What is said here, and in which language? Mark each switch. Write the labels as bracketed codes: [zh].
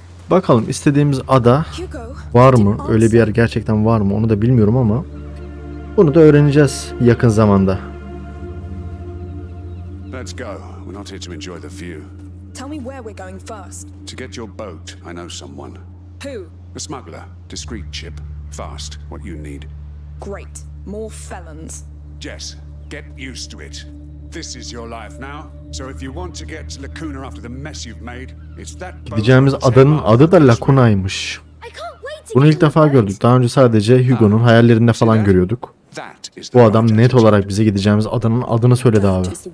[tr] Bakalım istediğimiz ada var mı? Öyle bir yer gerçekten var mı? Onu da bilmiyorum ama bunu da öğreneceğiz yakın zamanda. [en] Let's go. We're not here to enjoy the view. Tell me where we're going first. To get your boat, I know someone. Who? A smuggler. Discreet ship. Fast. What you need. Great. More felons. Jess, get used to it. This is your life now. So if you want to get to Lacuna after the mess you've made, it's that boat. [tr] Gideceğimiz adanın adı da Lacuna'ymış. Bunu ilk defa gördük. Daha önce sadece Hugo'nun hayallerinde falan görüyorduk. Bu adam net olarak bize gideceğimiz adanın adını söyledi abi.